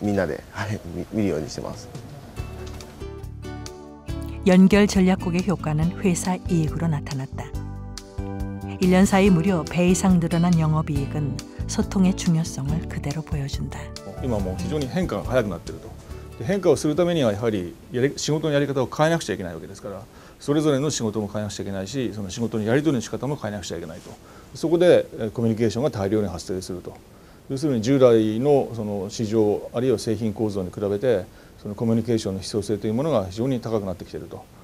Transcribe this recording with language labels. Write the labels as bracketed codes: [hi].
[ja] こちらはカメラが入ることが難しいので、ここまでお願いします。まあそこでケアできるというか、男があれば協力しますし、他の事業部から、そうですね。まあはい。とりあえずまあ悪い部分もみんなで見るようにしてます。 [ko] 연결 전략국의 효과는 회사 이익으로 나타났다. 1년 사이 무려 배 이상 늘어난 영업이익은 소통의 중요성을 그대로 보여준다. [ja] 今も非常に変化が早くなっていると。変化をするためにはやはり仕事のやり方を変えなくちゃいけないわけですから、それぞれの仕事も変えなくちゃいけないし、その仕事のやり取りの仕方も変えなくちゃいけないと。そこでコミュニケーションが大量に発生すると。要するに従来の市場あるいは製品構造に比べて、そのコミュニケーションの必要性というものが非常に高くなってきていると。